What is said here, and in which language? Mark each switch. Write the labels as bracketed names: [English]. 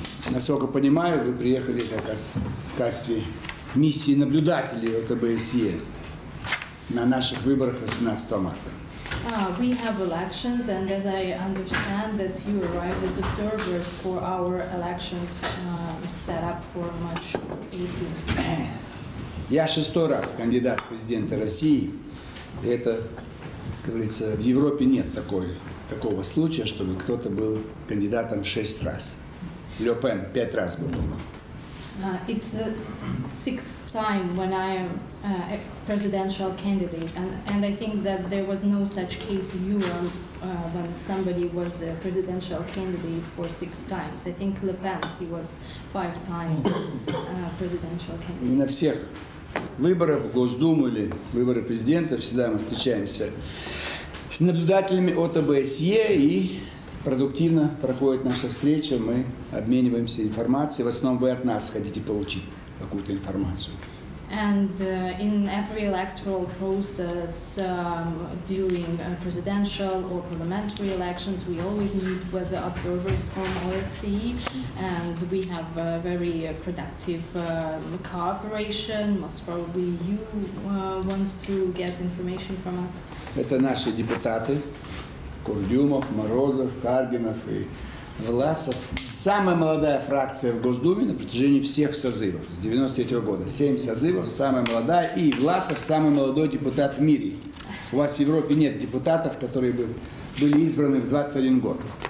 [Russian] Насколько понимаю, вы приехали как раз в качестве миссии наблюдателей от ОБСЕ на наших выборах 18 марта. [English] We have elections, and as I understand that you arrived as observers for our elections set up for March 18th. [Russian] Я шестой раз кандидат в президенты России. Это, как говорится, в Европе нет такого случая, чтобы кто-то был кандидатом шесть раз. Ле Пен пять раз был дома. [English] It's the sixth time when I am a presidential candidate, and I think that there was no such case in Europe when somebody was a presidential candidate for six times. I think Ле Пен, he was five times presidential candidate. [Russian] На всех выборах в Госдуму или выборы президента всегда мы встречаемся с наблюдателями от ОБСЕ и продуктивно проходит наша встреча, мы обмениваемся информацией. В основном вы от нас хотите получить какую-то информацию. [English] And in every electoral process during presidential or parliamentary elections, we always meet with the observers from OSCE, and we have a very productive cooperation. Most probably you want to get information from us. [Russian] Это наши депутаты. Курдюмов, Морозов, Карбинов и Власов. Самая молодая фракция в Госдуме на протяжении всех созывов. С 93 года. Семь созывов, самая молодая. И Власов самый молодой депутат в мире. У вас в Европе нет депутатов, которые были избраны в 21 год.